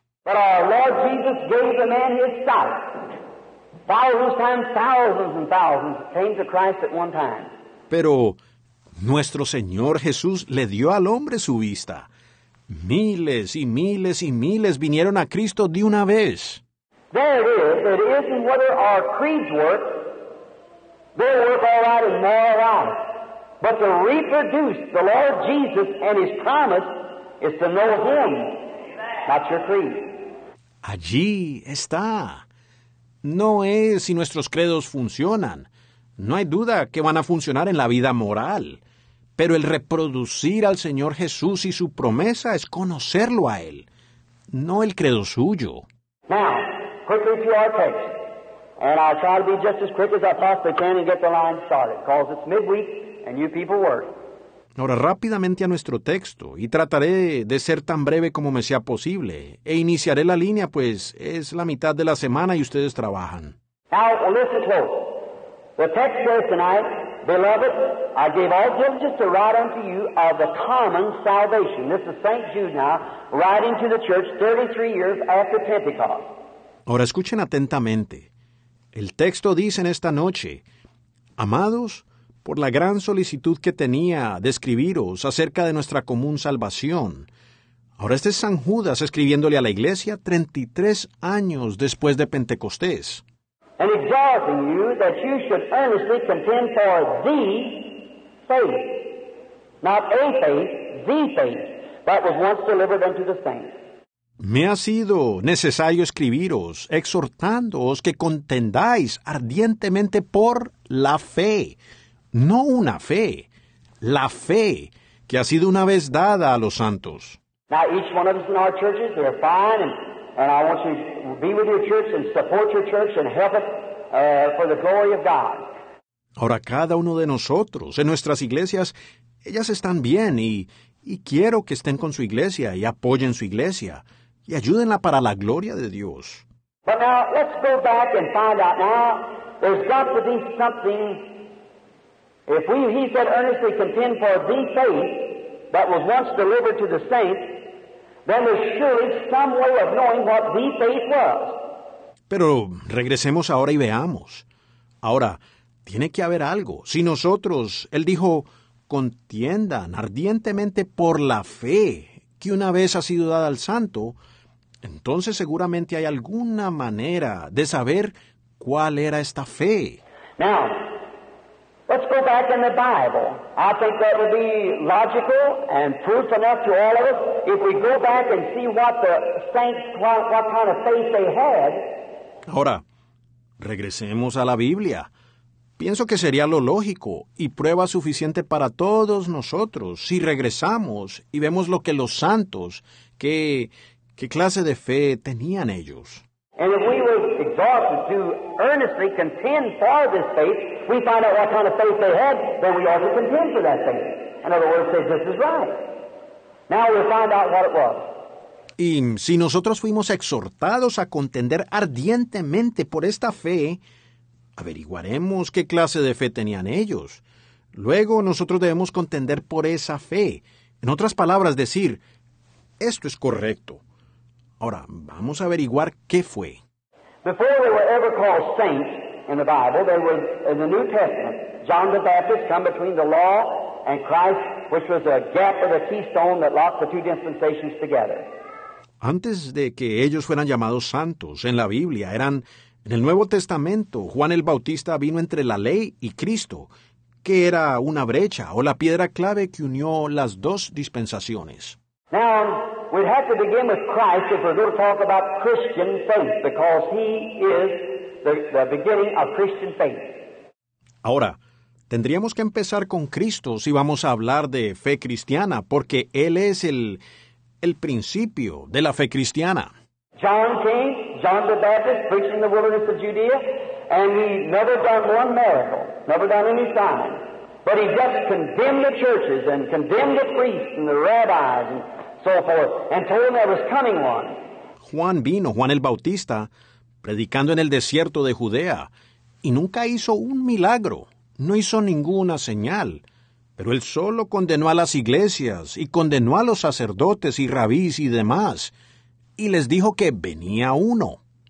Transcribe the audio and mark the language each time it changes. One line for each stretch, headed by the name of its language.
Spanish: Pero nuestro Señor Jesús dio al hombre su sight.
English: Thousands times thousands and thousands came to Christ at one time.
Spanish: Pero nuestro Señor Jesús le dio al hombre su vista. Miles y miles y miles vinieron a Cristo de una vez.
English: There it is. It isn't whether our creeds work. They work all right in moral life. But to reproduce the Lord Jesus and His promise is to know Him, not your creed.
Spanish: Allí está. No es si nuestros credos funcionan. No hay duda que van a funcionar en la vida moral. Pero el reproducir al Señor Jesús y su promesa es conocerlo a Él, no el credo suyo.
English: Now, quickly to our text. And I'll try to be just as quick as I possibly can and get the line started, because it's midweek and you people work.
Spanish: Ahora rápidamente a nuestro texto y trataré de ser tan breve como me sea posible e iniciaré la línea, pues es la mitad de la semana y ustedes trabajan.
English: Now, listen close. The text says tonight, Beloved, I gave all diligence to write unto you of the common salvation. This is St. Jude now, writing to the church 33 years after Pentecost.
Spanish: Ahora escuchen atentamente. El texto dice en esta noche, Amados, por la gran solicitud que tenía de escribiros acerca de nuestra común salvación. Ahora este es San Judas escribiéndole a la iglesia 33 años después de Pentecostés.
English: And exhorting you that you should earnestly contend for the faith, not a faith, the faith, that was once delivered unto the saints.
Spanish: Me ha sido necesario escribiros, exhortándoos que contendáis ardientemente por la fe, no una fe, la fe, que ha sido una vez dada a los santos.
English: Now each one of us in our churches, they're fine and I want you to be with your church and support your church and help it for the glory of God.
Spanish: Ahora, cada uno de nosotros, en nuestras iglesias, ellas están bien y quiero que estén con su iglesia y apoyen su iglesia y ayúdenla para la gloria de Dios.
English: But now, let's go back and find out. Now, there's got to be something. If we, he said, earnestly contend for the faith that was once delivered to the saints, then there's surely some way of knowing what the faith was.
Spanish: Pero regresemos ahora y veamos. Ahora, tiene que haber algo. Si nosotros, él dijo, contiendan ardientemente por la fe que una vez ha sido dada al santo, entonces seguramente hay alguna manera de saber cuál era esta fe.
English: Now, let's go back in the Bible. I think that would be logical and proof enough to all of us if we go back and see what the saints, what kind of faith they had.
Spanish: Ahora, regresemos a la Biblia. Pienso que sería lo lógico y prueba suficiente para todos nosotros si regresamos y vemos lo que los santos, qué clase de fe tenían ellos.
English: And if we were exhausted to earnestly contend for this faith, we find out what kind of faith they had, then we ought to contend for that faith. In other words, say, this is right. Now we'll find out what it was.
Spanish: Y si nosotros fuimos exhortados a contender ardientemente por esta fe, averiguaremos qué clase de fe tenían ellos. Luego nosotros debemos contender por esa fe. En otras palabras, decir, esto es correcto. Ahora, vamos a averiguar qué fue.
English: Before they were ever called saints in the Bible, they were in the New Testament. John the Baptist come between the law and Christ, which was a gap of a keystone that locked the two dispensations together.
Spanish: Antes de que ellos fueran llamados santos en la Biblia, eran en el Nuevo Testamento, Juan el Bautista vino entre la ley y Cristo, que era una brecha o la piedra clave que unió las dos dispensaciones.
English: Now, we'd have to begin with Christ if we're going to talk about Christian faith, because he is the beginning of Christian faith.
Spanish: Ahora, tendríamos que empezar con Cristo si vamos a hablar de fe cristiana, porque él es el principio de la fe cristiana.
English: John came, John the Baptist, preaching the wilderness of Judea, and he never done one miracle, never done any sign. But he just condemned the churches and condemned the priests and the rabbis and so forth, and told them there was coming one.
Spanish: Juan vino, Juan el Bautista, predicando en el desierto de Judea, y nunca hizo un milagro, no hizo ninguna señal. Pero él solo condenó a las iglesias y condenó a los sacerdotes y rabíes y demás, y les dijo que venía uno.